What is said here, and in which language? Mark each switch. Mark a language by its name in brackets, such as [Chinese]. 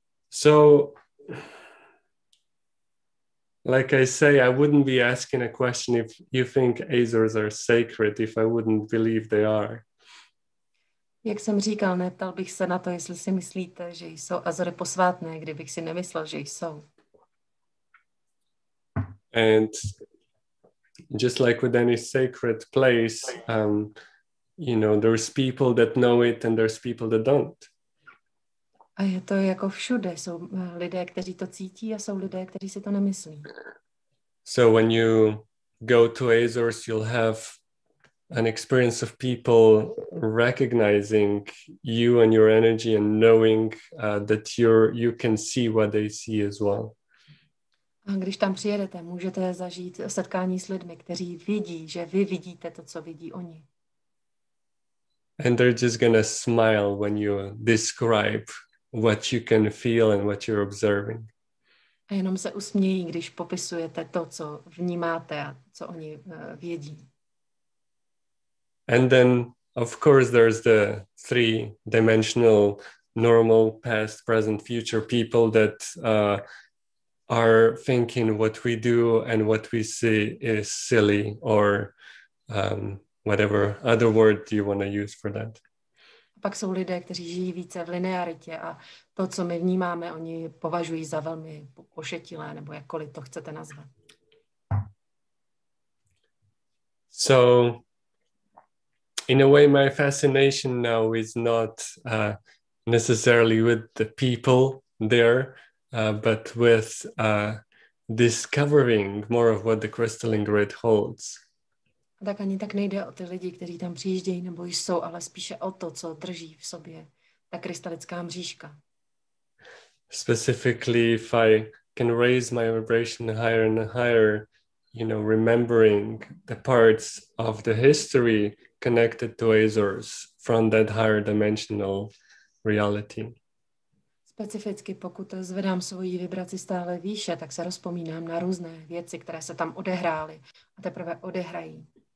[English] So, like I say, I wouldn't be asking a question if you think Azores are sacred, if I wouldn't believe they are. [Czech] Jak jsem říkal, neptal bych se na to, jestli si myslíte, že jsou Azory posvátné, kdybych si nemyslel, že jsou. [English] And just like with any sacred place, you know, there's people that know it and there's people that don't. [Czech] A je to jako všude. Jsou lidé, kteří to cítí a jsou lidé, kteří si to nemyslí. [English] So when you go to Azores, you'll have an experience of people recognizing you and your energy and knowing that you can see what they see as well. [Czech] A když tam přijedete, můžete zažít setkání s lidmi, kteří vidí, že vy vidíte to, co vidí oni. [English] And they're just gonna smile when you describe what you can feel and what you're observing. [Czech] A jenom se usmějí, když popisujete to, co vnímáte a co oni vědí. [English] And then, of course, there's the three-dimensional normal past, present, future people that are thinking what we do and what we see is silly or whatever other word do you want to use for that. [Czech] A pak jsou lidé, kteří žijí více v linearitě a to, co my vnímáme, oni považují za velmi pošetilé nebo jakkoliv to chcete nazvat. [English] So in a way, my fascination now is not necessarily with the people there, but with discovering more of what the crystalline grid holds. [Czech] Tak ani tak nejde o ty lidi, kteří tam přijíždějí nebo jsou, ale spíše o to, co drží v sobě ta krystalická mřížka. [English] Specifically, if I can raise my vibration higher and higher, you know, remembering the parts of the history connected to Azores from that higher dimensional reality. [Czech] Specificky, pokud zvedám svoji vibraci stále výše, tak se rozpomínám na různé věci, které se tam odehrály a teprve odehrají.